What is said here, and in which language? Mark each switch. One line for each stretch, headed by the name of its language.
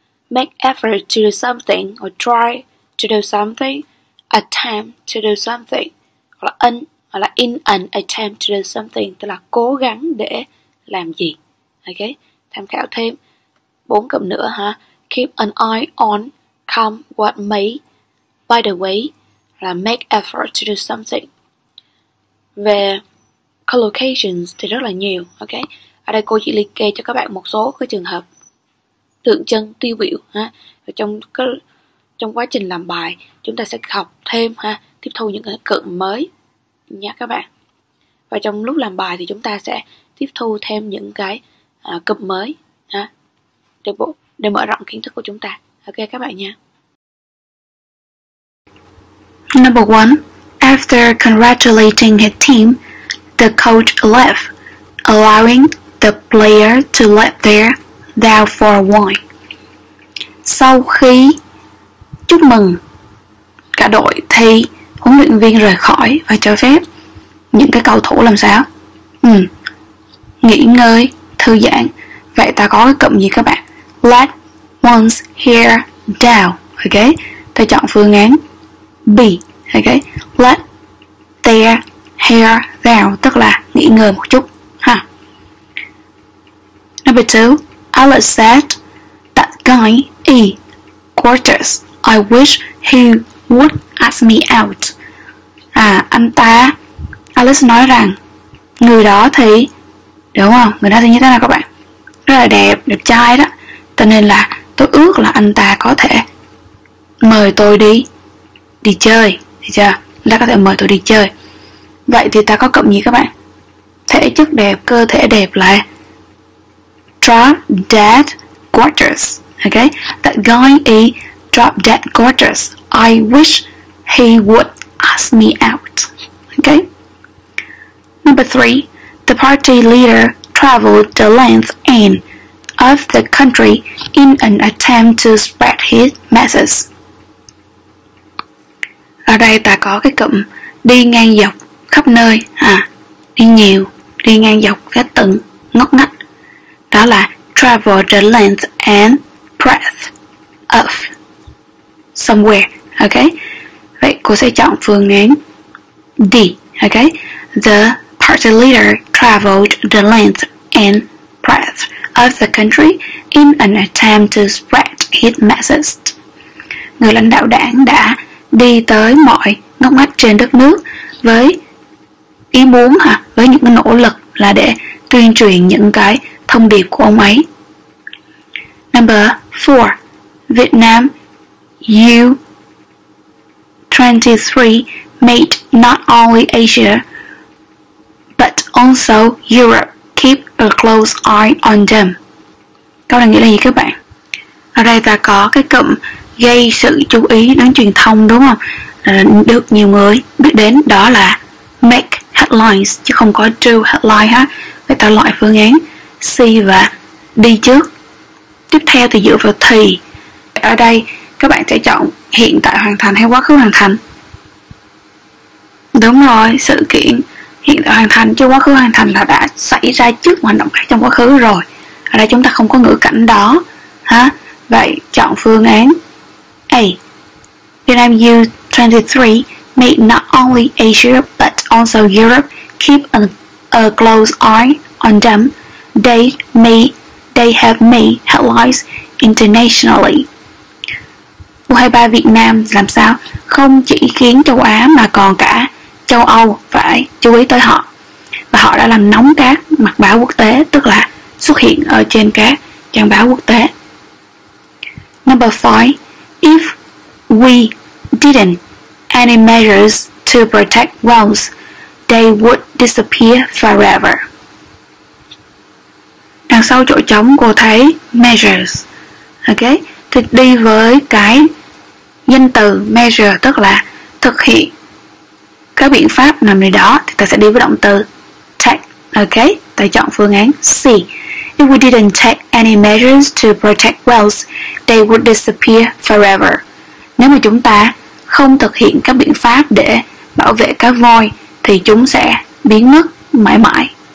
English: Make effort to do something, or try to do something, attempt to do something,
Vietnamese: hoặc là
English: in an attempt to do something,
Vietnamese: tức là cố gắng để làm gì. Ok, tham khảo thêm bốn cụm nữa ha.
English: Keep an eye on, come what may, by the way, là make effort to do something.
Vietnamese: Về collocations thì rất là nhiều, ok? Ở đây cô chỉ liệt kê cho các bạn một số cái trường hợp tượng trưng tiêu biểu ha. Trong quá trình làm bài chúng ta sẽ học thêm ha, tiếp thu những cái cụm mới nha các bạn. Và trong lúc làm bài thì chúng ta sẽ tiếp thu thêm những cái cụm mới ha, để mở rộng kiến thức của chúng ta. Ok các bạn nha.
English: Number one, after congratulating his team, the coach left, allowing the player to let there down for a while.
Vietnamese: Sau khi chúc mừng cả đội thì huấn luyện viên rời khỏi và cho phép những cái cầu thủ làm sao? Nghỉ ngơi, thư giãn. Vậy ta có cái cụm gì các bạn?
English: Let one's hair down.
Vietnamese: Ok, ta chọn phương án B. Ok,
English: let their hair down,
Vietnamese: tức là nghỉ ngơi một chút ha.
English: Number 2, Alex said that guy is gorgeous, I wish he would ask me out.
Vietnamese: À, anh ta, Alex nói rằng người đó thì, đúng không, người đó thì như thế nào các bạn? Rất là đẹp, đẹp trai đó, cho nên là tôi ước là anh ta có thể mời tôi đi chơi. Chưa? Đã có thể mời tôi đi chơi. Vậy thì ta có cụm gì các bạn? Thể chất đẹp, cơ thể đẹp là
English: drop dead gorgeous. Ok, that guy is drop dead gorgeous, I wish he would ask me out. Ok. Number 3, the party leader traveled the length and of the country in an attempt to spread his message.
Vietnamese: Ở đây ta có cái cụm đi ngang dọc khắp nơi, đi nhiều, đi ngang dọc các từng ngóc ngách. Đó là
English: travel the length and breadth of somewhere, ok?
Vietnamese: Vậy cô sẽ chọn phương án D, ok?
English: The party leader traveled the length and breadth of the country in an attempt to spread his message.
Vietnamese: người lãnh đạo đảng đã đi tới mọi ngóc ngách trên đất nước với ý muốn với những cái nỗ lực là để tuyên truyền những cái thông điệp của ông ấy.
English: Number 4, Vietnam U23 made not only Asia but also Europe keep a close eye on them.
Vietnamese: Câu này nghĩa là gì các bạn? Ở đây ta có cái cụm gây sự chú ý đến truyền thông đúng không? Được nhiều người biết đến, đó là
English: make headlines
Vietnamese: chứ không có
English: do headline
Vietnamese: ha. Vậy ta loại phương án C và D trước. Tiếp theo thì dựa vào thì. Ở đây các bạn sẽ chọn hiện tại hoàn thành hay quá khứ hoàn thành. Đúng rồi, sự kiện hiện tại hoàn thành chứ quá khứ hoàn thành là đã xảy ra trước hoạt động khác trong quá khứ rồi. Ở đây chúng ta không có ngữ cảnh đó ha. Vậy chọn phương án A.
English: Vietnam U23 made not only Asia but also Europe keep a close eye on them. They have made headlines internationally.
Vietnamese: U23 Việt Nam làm sao? Không chỉ khiến châu Á mà còn cả châu Âu phải chú ý tới họ. Và họ đã làm nóng các mặt báo quốc tế, tức là xuất hiện ở trên các trang báo quốc tế.
English: Number 5. If we didn't any measures to protect whales, they would disappear forever.
Vietnamese: Đằng sau chỗ trống cô thấy measures. Ok, thì đi với cái danh từ measure, tức là thực hiện các biện pháp làm gì đó, thì ta sẽ đi với động từ take. Ok, ta chọn phương án C.
English: If we didn't take any measures to protect whales, they would disappear forever.
Vietnamese: Nếu mà chúng ta không thực hiện các biện pháp để bảo vệ cá voi thì chúng sẽ biến mất mãi mãi.